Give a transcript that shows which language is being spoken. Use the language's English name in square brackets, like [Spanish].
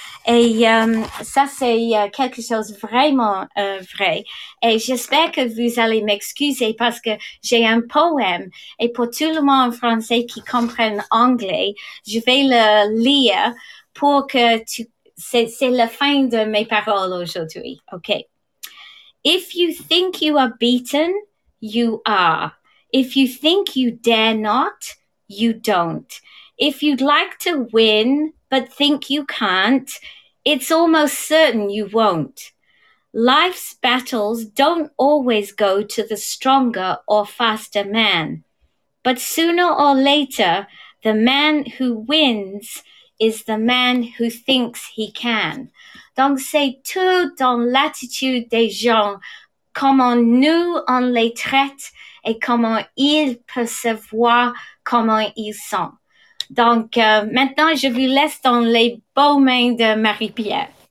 [French] Et ça, c'est quelque chose vraiment vrai. Et j'espère que vous allez m'excuser parce que j'ai un poème. Et pour tout le monde en français qui comprend anglais, je vais le lire pour que c'est la fin de mes paroles aujourd'hui. OK. [English] If you think you are beaten, you are. If you think you dare not, you don't. If you'd like to win, but think you can't, it's almost certain you won't. life's battles don't always go to the stronger or faster man, but sooner or later, the man who wins is the man who thinks he can. [French] Donc, c'est tout dans l'attitude des gens, comment nous on les traite et comment ils perçoivent comment ils sont. Donc, maintenant, je vous laisse dans les bonnes mains de Marie-Pierre.